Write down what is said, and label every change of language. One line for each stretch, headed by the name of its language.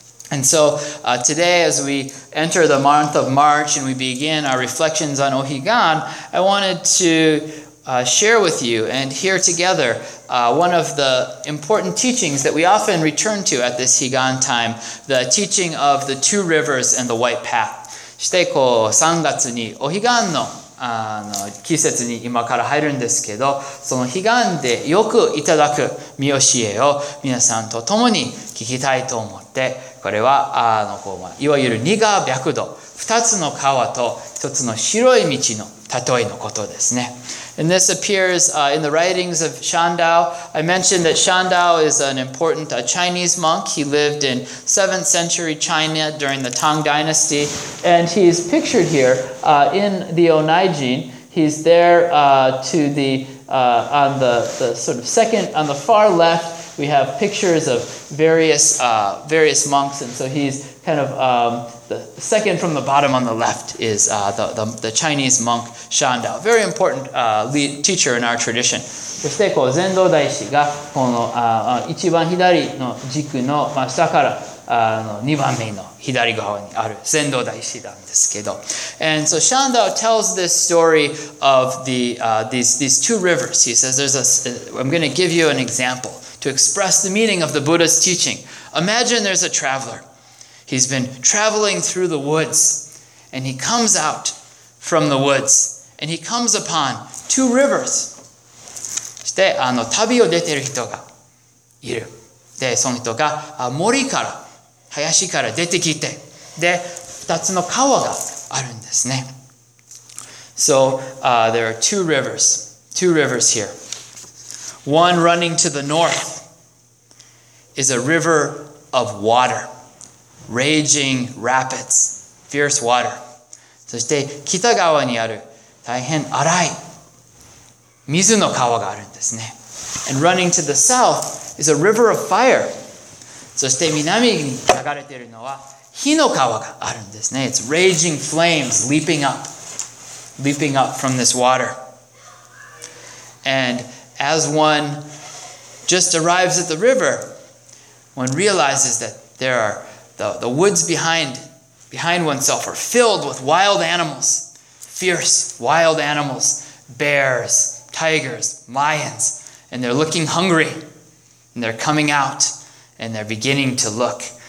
English: And so, today as we enter the month of March and we begin our reflections on Ohigan, I wanted toshare with you and hear together one of the important teachings that we often return to at this Higan time, the teaching of the two rivers and the white path.
Japanese: してこう3月にお彼岸の季節に今から入るんですけど、その彼岸でよくいただく御教えを皆さんと共に聞きたいと思って、これはこういわゆる二河白土、二つの川と一つの白い道の例えのことですね。
English: And this appears in the writings of Shan Dao. I mentioned that Shan Dao is an important Chinese monk. He lived in 7th century China during the Tang Dynasty. And he is pictured here in the Onaijin. He's there on the sort of second, on the far left, we have pictures of various monks. And so he's kind of the second from the bottom on the left is the Chinese monk. Shan Dao, very important lead teacher in our tradition.
Japanese: そしてこう禅道大師がこの一番左の軸の下から二番目の左側にある禅道大師なんですけど。
English: And so Shan Dao tells this story of these two rivers. He says, I'm going to give you an example to express the meaning of the Buddha's teaching. Imagine there's a traveler. He's been traveling through the woods and he comes out. From the woods, and he comes upon two rivers.
Japanese: して、旅を出てる人がいる。で、その人が森から、林から出てきて、で、二つの川があるんですね。
English: So, there are two rivers here. One running to the north is a river of water, raging rapids, fierce water.
Japanese: そして北側にある大変荒い水の川があるんですね。
English: And running to the south is a river of fire.
Japanese: そして南に流れているのは火の川があるんですね。
English: It's raging flames leaping up from this water. And as one just arrives at the river, one realizes that there are the woods behind oneself are filled with wild animals, fierce wild animals, bears, tigers, lions, and they're looking hungry, and they're coming out, and they're beginning to look.